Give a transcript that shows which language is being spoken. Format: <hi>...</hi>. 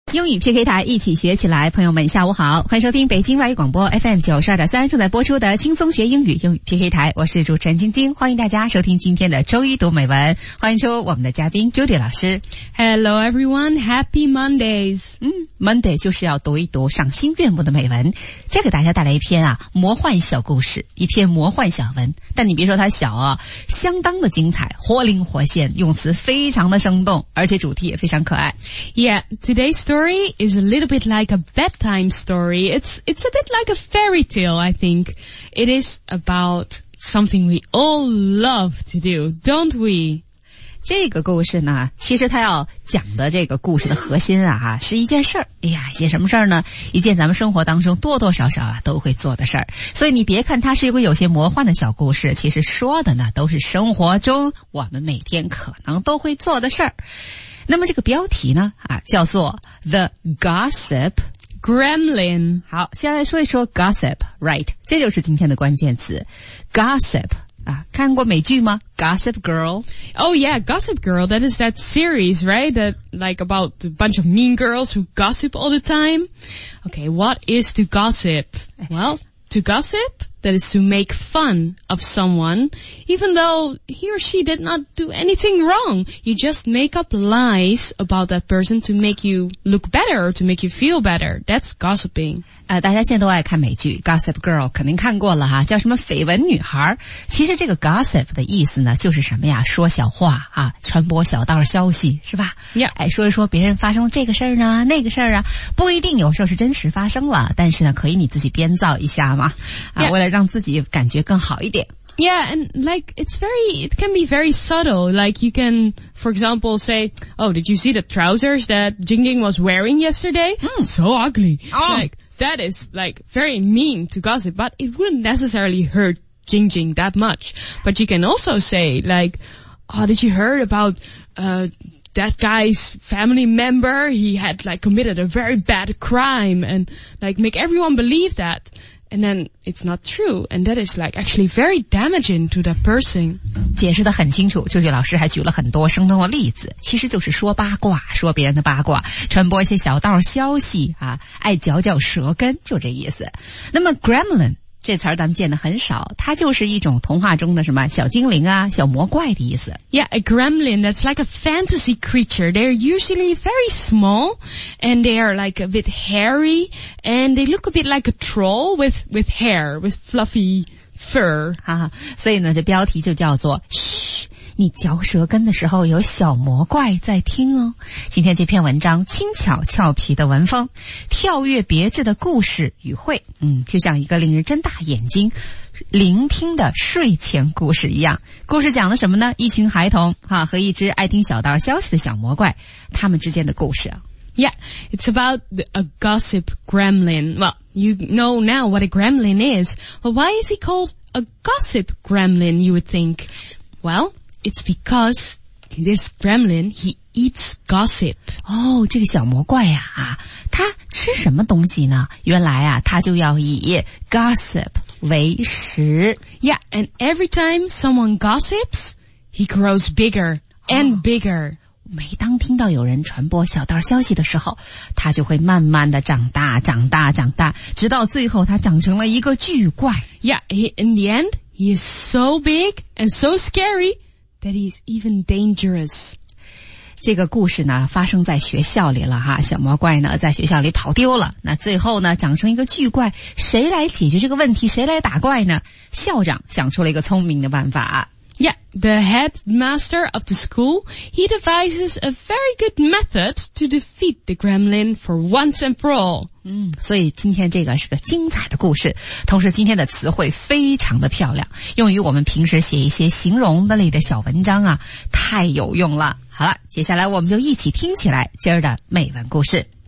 <zh>英语 PK 台一起学起来，朋友们下午好，欢迎收听北京外语广播 FM92.3 正在播出的轻松学英语英语 PK 台，我是主持人晶晶，欢迎大家收听今天的周一读美文，欢迎收我们的嘉宾 Judy 老师。</zh> <en>Hello everyone, happy Mondays.</en> <zh>Monday 就是要读一读赏心悦目的美文，再给大家带来一篇啊魔幻小故事，一篇魔幻小文，但你别说它小啊，相当的精彩，活灵活现，用词非常的生动，而且主题也非常可爱。</zh> <en>Yeah, today's story is a little bit like a bedtime story. It's a bit like a fairy tale, I think. It is about something we all love to do, don't we?</en> <zh>这个故事呢，其实它要讲的这个故事的核心啊，是一件事儿。哎呀，一件什么事儿呢？一件咱们生活当中多多少少啊都会做的事儿。所以你别看它是一个有些魔幻的小故事，其实说的呢都是生活中我们每天可能都会做的事儿。那么这个标题呢啊叫做</zh> <en>The Gossip Gremlin。</en> <zh>好，先来说一说 Gossip,</zh> <en>right?</en> <zh>这就是今天的关键词。 Gossip, 啊看过美剧吗 ?Gossip Girl?</zh> <en>Oh yeah, Gossip Girl, that is that series, right? That, like about a bunch of mean girls who gossip all the time. Okay, what is to gossip? Well, to gossip, that is to make fun of someone, even though he or she did not do anything wrong. You just make up lies about that person to make you look better or to make you feel better. That's gossiping.</en> <zh>大家现在都爱看美剧 Gossip Girl, 肯定看过了哈，叫什么绯闻女孩。其实这个 gossip 的意思呢就是什么呀，说小话啊，传播小道消息是吧、</zh> <en>yeah.</en> <zh>说一说别人发生这个事儿啊那个事儿啊，不一定有时候是真实发生了，但是呢可以你自己编造一下嘛、</zh> <en>yeah.</en> <zh>为了让自己感觉更好一点。</zh> <en>Yeah, and like, it can be very subtle. Like, you can, for example, say, oh, did you see the trousers that Jing Jing was wearing yesterday? So ugly. Oh. Like, that is, like, very mean to gossip, but it wouldn't necessarily hurt Jing Jing that much. But you can also say, like, oh, did you hear about, that guy's family member? He had, like, committed a very bad crime and, like, make everyone believe that. And then it's not true, and that is like actually very damaging to that person.</en> <zh>解释得很清楚，舅舅老师还举了很多生动的例子，其实就是说八卦，说别人的八卦，传播一些小道消息啊，爱嚼嚼舌根，就这意思。那么 Gremlin 这词儿咱们见得很少，它就是一种童话中的什么小精灵啊，小魔怪的意思。</zh> <en>Yeah, a gremlin, that's like a fantasy creature. They're usually very small, and they are like a bit hairy,And they look a bit like a troll with hair, with fluffy fur.</en> <zh>哈哈，所以呢，这标题就叫做嘘，你嚼舌根的时候有小魔怪在听哦。今天这篇文章轻巧俏皮的文风，跳跃别致的故事语汇，就像一个令人睁大眼睛聆听的睡前故事一样。故事讲了什么呢？一群孩童哈和一只爱听小道消息的小魔怪，他们之间的故事。</zh> <en>Yeah, it's about a gossip gremlin. Well, you know now what a gremlin is, but why is he called a gossip gremlin, you would think? Well, it's because this gremlin, he eats gossip.</en> <zh>Oh, 这个小魔怪呀、啊、他吃什么东西呢？原来啊，他就要以 gossip 为食。</zh> <en>Yeah, and every time someone gossips, he grows bigger and bigger.</en> <zh>每当听到有人传播小道消息的时候，他就会慢慢的长大长大长大，直到最后他长成了一个巨怪。</zh> <en>Yeah, in the end, he is so big and so scary that he is even dangerous.</en> <zh>这个故事呢发生在学校里了哈，小魔怪呢在学校里跑丢了，那最后呢长成一个巨怪，谁来解决这个问题，谁来打怪呢？校长想出了一个聪明的办法。</zh> <en>Yeah, the headmaster of the school, he devises a very good method to defeat the gremlin for once and for all.</en> <zh>所以今天这个是个精彩的故事，同时今天的词汇非常的漂亮，用于我们平时写一些形容的类的小文章啊，太有用了。好了，接下来我们就一起听起来今儿的美文故事。</zh>